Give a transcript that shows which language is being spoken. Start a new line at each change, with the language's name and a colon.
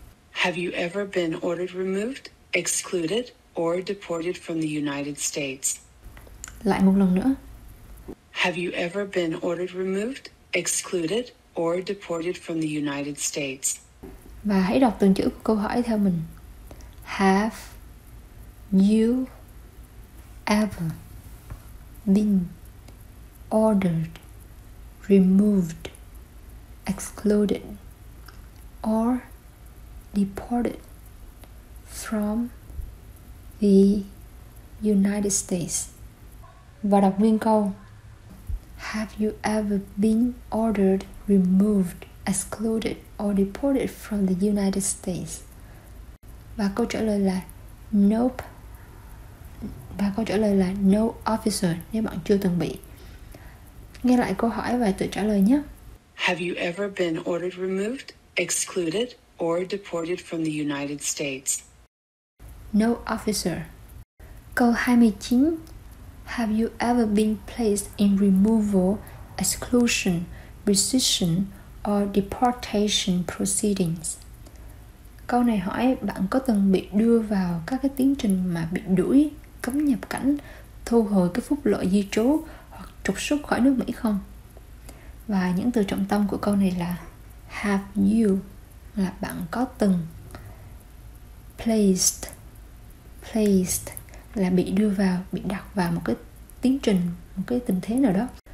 English: Have you ever been ordered, removed, excluded, or deported from the United States?
Vietnamese: Lại một lần nữa.
English: Have you ever been ordered, removed, excluded, or deported from the United States?
Vietnamese: Và hãy đọc từng chữ của câu hỏi theo mình.
English: Have you ever been ordered, removed, excluded, or deported from the United States?
Vietnamese: Và đọc nguyên câu.
English: Have you ever been ordered, removed, excluded, or deported from the United States?
Vietnamese: Và câu trả lời là nope. Và câu trả lời là
English: no, officer,
Vietnamese: nếu bạn chưa từng bị. Nghe lại câu hỏi và tự trả lời nhé.
English: Have you ever been ordered, removed, excluded, or deported from the United States? No, officer.
Vietnamese: Câu 29.
English: Have you ever been placed in removal, exclusion, rescission, or deportation proceedings?
Vietnamese: Câu này hỏi bạn có từng bị đưa vào các cái tiến trình mà bị đuổi, cấm nhập cảnh, thu hồi cái phúc lợi di trú hoặc trục xuất khỏi nước Mỹ không? Và những từ trọng tâm của câu này là have you, là bạn có từng, placed, placed, là bị đưa vào, bị đặt vào một cái tiến trình, một cái tình thế nào đó.